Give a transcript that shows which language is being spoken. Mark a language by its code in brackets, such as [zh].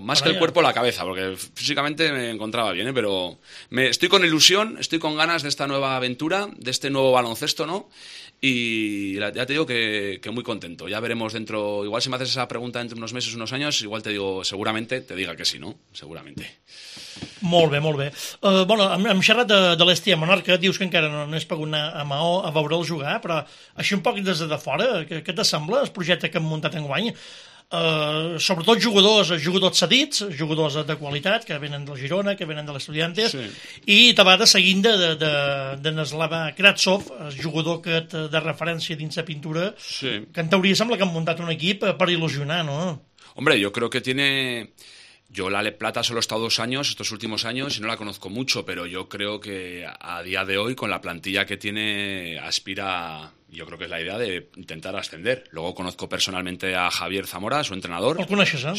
[es] Más que el cuerpo, la cabeza, porque físicamente me encontraba bien, ¿eh? Pero estoy con ilusión, estoy con ganas de esta nueva aventura, de este nuevo baloncesto, ¿no? Y ya te digo que muy contento. Ya veremos dentro... Igual si me haces esa pregunta dentro de unos meses, unos años, igual te digo, seguramente, te diga que sí, ¿no? Seguramente. [ca] Molt bé, molt bé. Bueno, hem xerrat de l'Estia Menorca, dius que encara no has pogut anar a Mahó a veure'l jugar, però així un poc des de fora, què t'assembla el projecte que hem muntat enguany? Sobretot jugadors cedits, jugadors de qualitat, que venen del Girona, que venen de l'Estudiantes, sí. I t'abades seguint de Neslava Kratsov, el jugador aquest de referència dins la pintura, sí. Que en teoria sembla que han muntat un equip per il·lusionar, no? [es] Hombre, yo creo que tiene... Yo la Ale Plata solo he estado dos años, estos últimos años, y no la conozco mucho, pero yo creo que a día de hoy, con la plantilla que tiene, aspira, yo creo que es la idea de intentar ascender. Luego conozco personalmente a Javier Zamora, su entrenador. ¿Lo conoces,